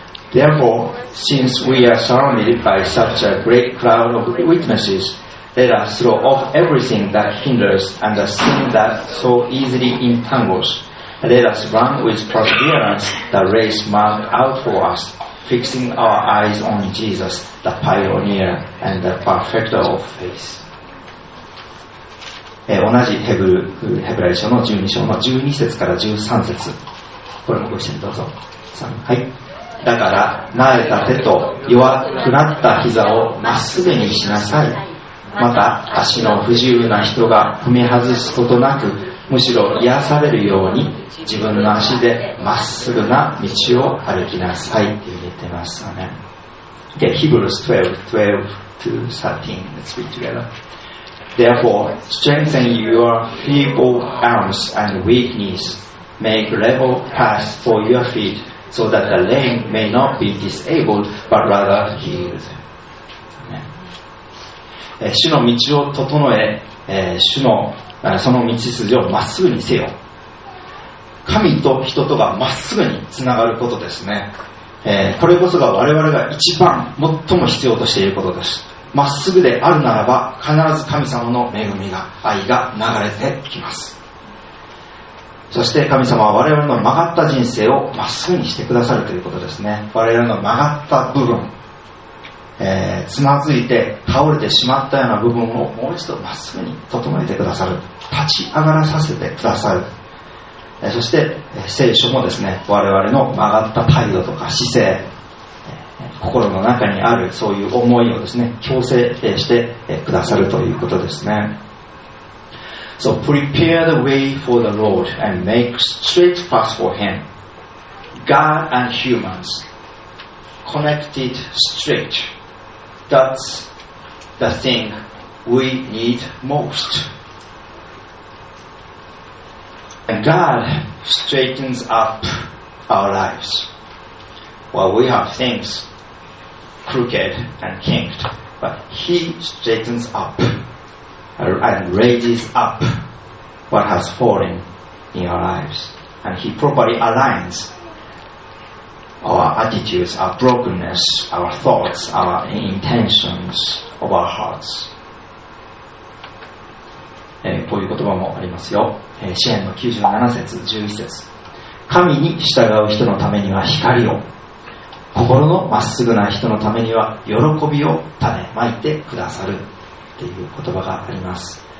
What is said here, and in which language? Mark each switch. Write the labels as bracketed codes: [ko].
[en] Therefore, since we are surrounded by such a great cloud of witnesses,Let us throw off everything that hinders and the sin that so easily entangles. Let us run with perseverance the race marked out for us, fixing our eyes on Jesus, the pioneer and the perfecter of faith. [ja] 同じヘブライ書の12章の12節から13節。これもご一緒にどうぞ。はい。だから、慣れた手と弱くなった膝をまっすぐにしなさい。また足の不自由な人が踏み外すことなく、むしろ癒されるように自分の足でまっすぐな道を歩きなさいって言ってますよね。 [en] で、Hebrews 12:12-13. Let's read together. Therefore, strengthen your feeble arms and weak knees. Make level paths for your feet, so that the lame may not be disabled, but rather healed. [ja] 主の道を整え、主のその道筋をまっすぐにせよ。神と人とがまっすぐにつながることですね。これこそが我々が一番最も必要としていることです。まっすぐであるならば、必ず神様の恵みが、愛が流れてきます。そして神様は我々の曲がった人生をまっすぐにしてくださるということですね。我々の曲がった部分、つまずいて倒れてしまったような部分をもう一度まっすぐに整えてくださる、立ち上がらさせてくださる。そして聖書もですね、我々の曲がった態度とか姿勢、心の中にあるそういう思いをですね、矯正してくださるということですね。 [en] So prepare the way for the Lord and make straight paths for Him. God and humans connected straight. That's the thing we need most. And God straightens up our lives. Well, we have things crooked and kinked, but he straightens up and raises up what has fallen in our lives. And he properly aligns our attitudes, our brokenness, our thoughts, our intentions of our hearts. [ja] こういう言葉もありますよ。詩編の97節11節、神に従う人のためには光を、心のまっすぐな人のためには喜びを種まいてくださるっていう言葉があります。